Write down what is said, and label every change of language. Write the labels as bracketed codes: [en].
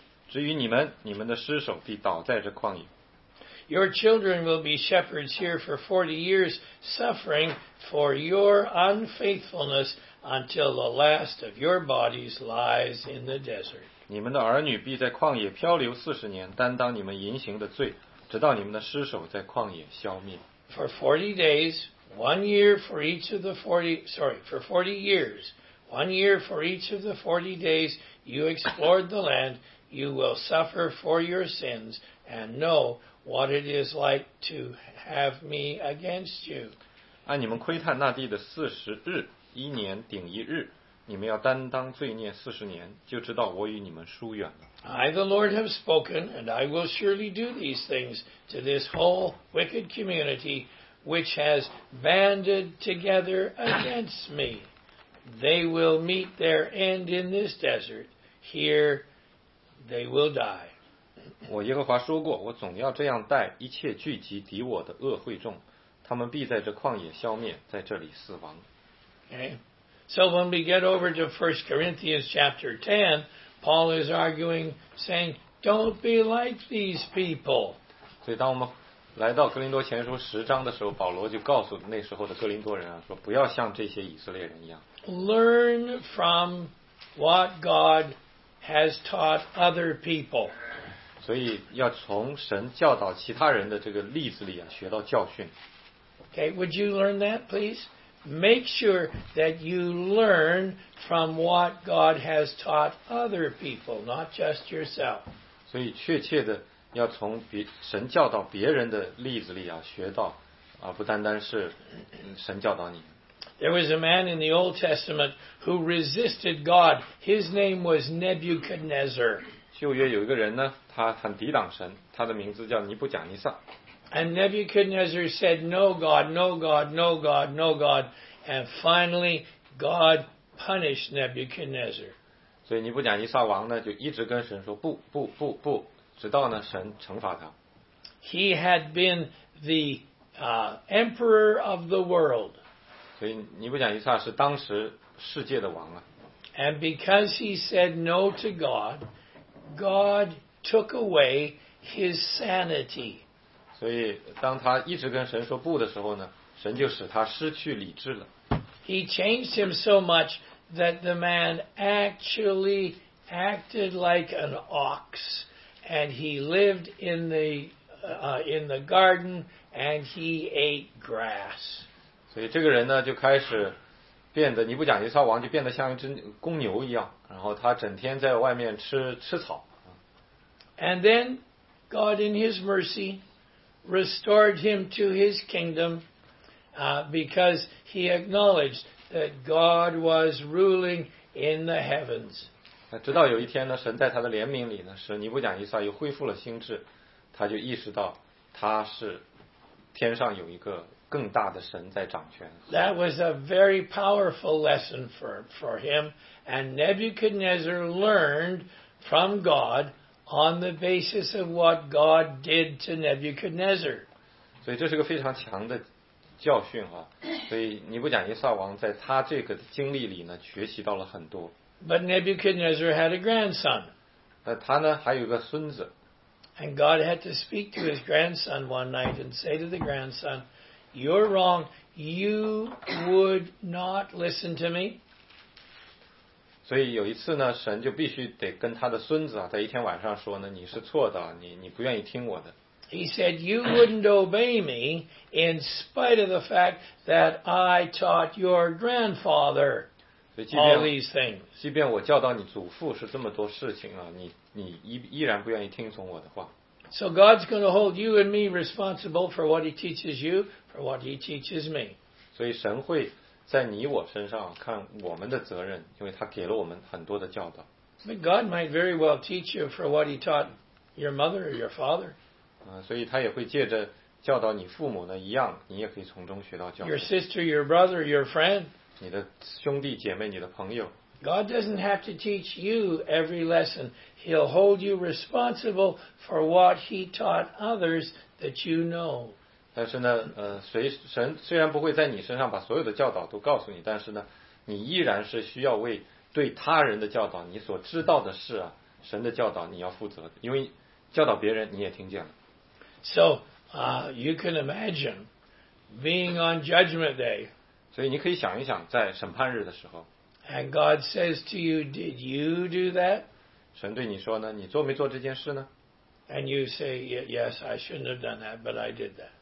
[zh] 至于你们，你们的尸首必倒在这旷野。 [en] Your children will be shepherds here for 40 years, suffering for your unfaithfulness until the last of your bodies lies in the desert. [zh] 你们的儿女必在旷野漂流40年，担当你们淫行的罪，直到你们的尸首在旷野消灭。 [en] For 40 days, one year for each of the 40 years, one year for each of the 40 days you explored the land, you will suffer for your sins and know. What it is like to have me against you. [zh] 按你们窥探那地的四十日，一年顶一日，你们要担当罪孽四十年，就知道我与你们疏远了。 [en] I, the Lord, have spoken, and I will surely do these things to this whole wicked community which has banded together against me. They will meet their end in this desert. Here they will die. [zh] 我耶和华说过，我总要这样待一切聚集敌我的恶会众，他们必在这旷野消灭，在这里死亡。 [en] Okay. So when we get over to 1 Corinthians chapter 10, Paul is arguing, saying, Don't be like these people. [zh] 所以当我们来到哥林多前书十章的时候，保罗就告诉那时候的哥林多人啊，说不要像这些以色列人一样。 [en] Learn from what God has taught other people. [zh] 所以要从神教导其他人的这个例子里啊，学到教训。 [en] Okay, would you learn that, please? Make sure that you learn from what God has taught other people, not just yourself. [zh] 所以确切的要从神教导别人的例子里啊学到，而不单单是神教导你。 [en] There was a man in the Old Testament who resisted God. His name was Nebuchadnezzar. [zh] 旧约有一个人呢，他很抵挡神，他的名字叫尼布甲尼撒。 [en] And Nebuchadnezzar said, No God, no God, no God, no God. And finally, God punished Nebuchadnezzar. [zh] 所以尼布甲尼撒王呢，就一直跟神说不不不不，直到呢神惩罚他。 [en] He had been the emperor of the world. [zh] 所以尼布甲尼撒是当时世界的王啊。 [en] And because he said no to God, God took away his sanity. [zh] 所以当他一直跟神说不的时候呢，神就使他失去理智了。 [en] He changed him so much that the man actually acted like an ox, and he lived in the garden, and he ate grass. [zh] 所以这个人呢，就开始变得，尼布甲尼撒王就变得像一只公牛一样，然后他整天在外面吃草。 [en] And then God in his mercy,restored him to his kingdom, because he acknowledged that God was ruling in the heavens. [zh] 直到有一天呢，神在他的怜悯里呢，使尼布甲尼撒又恢复了心智，他就意识到他是天上有一个更大的神在掌权。 [en] That was a very powerful lesson for him, and Nebuchadnezzar learned from God. On the basis of what God did to Nebuchadnezzar. [zh] 所以这是个非常强的教训啊。所以尼布甲尼撒王在他这个经历里呢，学习到了很多。 [en] But Nebuchadnezzar had a grandson. [zh] 他呢还有个孙子。 [en] And God had to speak to his grandson one night and say to the grandson, "You're wrong. You would not listen to me." [zh] 所以有一次呢，神就必须得跟他的孙子啊，在一天晚上说呢，你是错的，你不愿意听我的。 [en] He said, "You wouldn't obey me in spite of the fact that I taught your grandfather all these things." [zh] 即便我教导你祖父是这么多事情啊，你依然不愿意听从我的话。 [en] So God's going to hold you and me responsible for what He teaches you, for what He teaches me. [zh] 所以神会。在你我身上看我们的责任，因为他给了我们很多的教导。 [en] But God might very well teach you for what He taught your mother or your father. [zh] 所以他也会借着教导你父母呢，一样，你也可以从中学到教导。 [en] Your sister, your brother, your friend. [zh] 你的兄弟姐妹，你的朋友。 [en] God doesn't have to teach you every lesson. He'll hold you responsible for what He taught others that you know. [zh] 但是呢，神虽然不会在你身上把所有的教导都告诉你，但是呢，你依然是需要为对他人的教导，你所知道的事啊，神的教导你要负责的，因为教导别人你也听见了。 [en] So, you can imagine being on Judgment Day. [zh] 所以你可以想一想，在审判日的时候。 [en] And God says to you, "Did you do that?" [zh] 神对你说呢，你做没做这件事呢 [en] ？And you say, "Yes, I shouldn't have done that, but I did that."